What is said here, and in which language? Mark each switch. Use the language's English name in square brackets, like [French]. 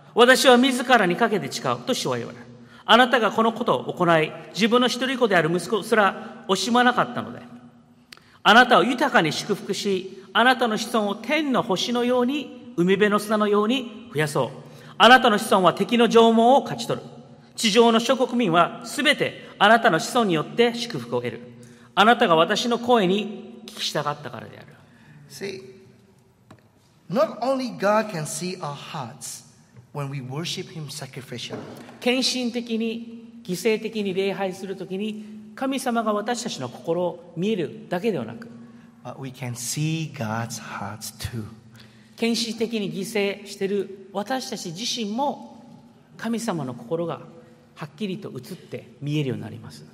[Japanese] 私は自らにかけて誓うと主は言われ。あなたがこのことを行い、自分の一人子である息子すら惜しまなかったので、あなたを豊かに祝福し、あなたの子孫を天の星のように、海辺の砂のように増やそう。あなたの子孫は敵の城門を勝ち取る。地上の諸国民はすべてあなたの子孫によって祝福を得る。あなたが私の声に聞き従ったからである。 [English] See, not only God can see our hearts when we worship Him sacrificially. [Japanese] 献身的に犠牲的に礼拝するときに神様が私たちの心を見えるだけではなく、 [English] But we can see God's heart too. [Japanese] 献身的に犠牲してる私たち自身も神様の心がはっきりと映って見えるようになります。